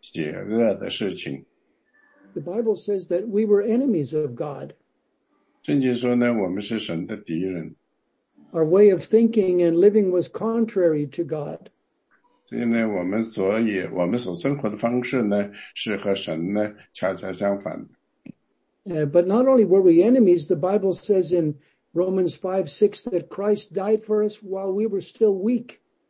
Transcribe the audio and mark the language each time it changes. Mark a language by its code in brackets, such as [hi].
[zh] 现在使徒保罗对哥罗西的人说呢，你们从前呢都是神的敌人，你们在做一些邪恶的事情。 [en] The Bible says that we were enemies of God. [zh] 圣经说呢，我们是神的敌人。 [en] Our way of thinking and living was contrary to God. [zh] 所以呢，我们所生活的方式呢，是和神呢恰恰相反的。 [en] But not only were we enemies, the Bible says in Romans 5:6 that Christ died for us while we were still weak.